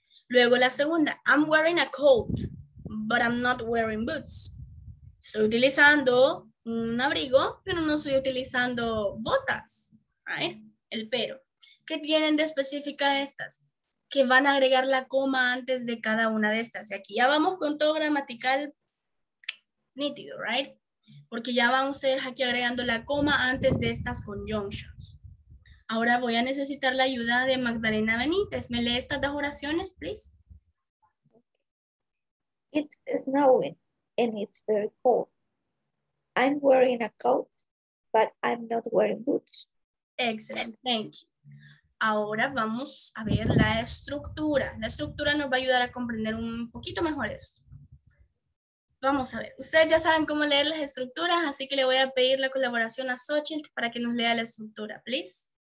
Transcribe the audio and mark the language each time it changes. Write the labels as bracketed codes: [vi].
[es] Luego la segunda, [en] I'm wearing a coat, but I'm not wearing boots. [es] Estoy utilizando un abrigo, pero no estoy utilizando botas, right? El pero. ¿Qué tienen de específica estas? que van a agregar la coma antes de cada una de estas. Y aquí ya vamos con todo gramatical nítido, right? Porque ya van ustedes aquí agregando la coma antes de estas conjunctions. Ahora voy a necesitar la ayuda de Magdalena Benítez. ¿Me lee estas dos oraciones, please? [en] It's snowing and it's very cold. I'm wearing a coat, but I'm not wearing boots. Excellent, thank you. [es] Ahora vamos a ver la estructura. La estructura nos va a ayudar a comprender un poquito mejor esto. Vamos a ver, ustedes ya saben cómo leer las estructuras, así que le voy a pedir la colaboración a Xochitl para que nos lea la estructura, please.